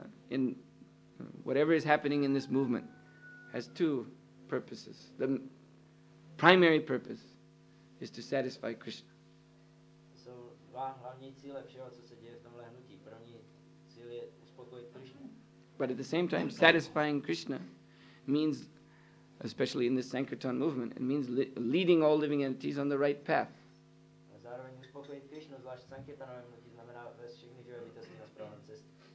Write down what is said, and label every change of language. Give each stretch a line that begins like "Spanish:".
English: in whatever is happening in this movement has two purposes. The primary purpose is to satisfy Krishna.
Czech: So, dva hlavní cíle všeho, co se děje v tomhle hnutí. První cíl je uspokojit Krishna.
English: But at the same time, satisfying Krishna means, especially in the Sankirtan movement, it means leading all living entities on the right path.
Czech: Zároveň uspokojit Krishna, zvlášť v Sankirtanovém hnutí, znamená vést všechny živé bytosti na správnou cestu.